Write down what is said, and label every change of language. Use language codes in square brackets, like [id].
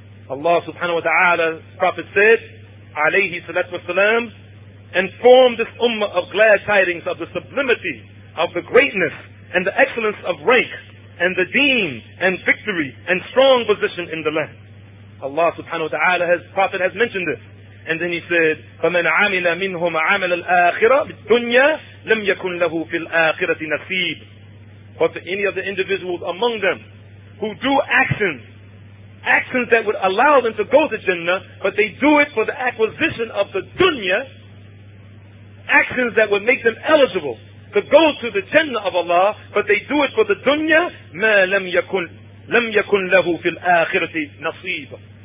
[en] Allah subhanahu wa ta'ala, Prophet said, alayhi salatu wasalam, inform this ummah of glad tidings of the sublimity of the greatness and the excellence of rank and the deen and victory and strong position in the land. Allah subhanahu wa ta'ala, has Prophet has mentioned this. And then he said, [ar] فَمَنْ عَمِلَ مِنْهُمْ عَمَلَ الْآخِرَةِ بِالدُّنْيَا لَمْ يَكُنْ لَهُ فِي الْآخِرَةِ نَصِيبٌ. [en] But to any of the individuals among them who do actions that would allow them to go to Jannah, but they do it for the acquisition of the dunya, actions that would make them eligible to go to the Jannah of Allah, but they do it for the dunya, [ar] مَا لَمْ يَكُنْ لَهُ فِي الْآخِرَةِ نَصِيبٌ.